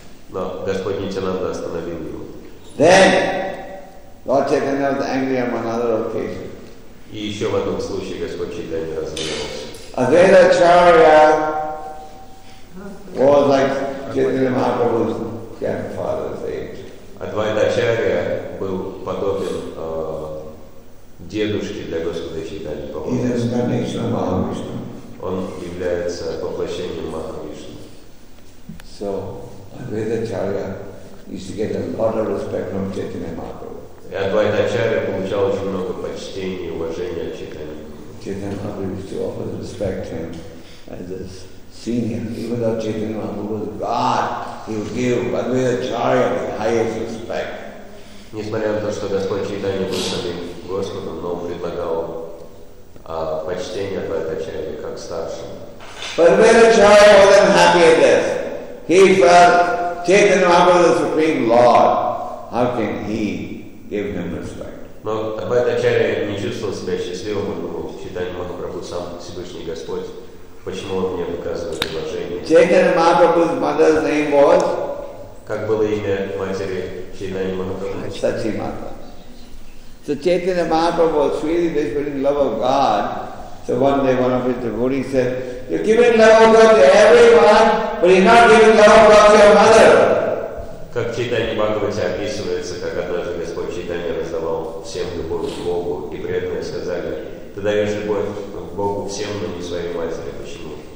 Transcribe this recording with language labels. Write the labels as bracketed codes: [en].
[ru] Но Господь Нитянанда остановил его. [en] Then Lord Chaitanya was angry on another occasion. [ru] И еще в одном случае Господь Чайтанья разгневался. [en] Адвайта Ачарья was like Chaitanya Mahaprabhu's grandfather's age. [ru] Адвайта Ачарья был подобен дедушке для Господа Чайтаньи Махапрабху. Он является воплощением Махавишну. [en] So Адвайта Ачарья used to get a lot of respect from Chaitanya Mahaprabhu. [ru] И Адвайта Ачарья получал очень много почтения и уважения от Чайтаньи. [en] Chaitanya Mahaprabhu used to always respect him as his senior. Even though Chaitanya Mahaprabhu was God, he would give Advaita Acharya the highest respect. [ru] Несмотря на то, что Господь Чайтанья был самим Господом, но предлагал почтение Адвайта Ачарье как старшему. [en] But Advaita Acharya wasn't happy at this. He felt Chaitanya Mahaprabhu the Supreme Lord. How can he give him respect? [ru] Но Адвайта Ачарья не чувствовал себя счастливым, он думал, Чайтанья Махапрабху сам Всевышний Господь, почему он мне выказывает уважение? [en] Chaitanya Mahaprabhu's mother's name was? [ru] Как было имя матери Чайтанья Махапрабху? Сати Мата. [en] So Chaitanya Mahaprabhu was really desperate in love of God. So one day one of his devotees said, you're giving love of God to everyone, but you're not giving love of God to your mother. [ru] Как Чайтанья Махапрабху описывается, как однажды Господь Чайтанья раздавал всем любовь к Богу, и преданные сказали, ты даешь любовь к Богу всем, но не своей матери. Почему?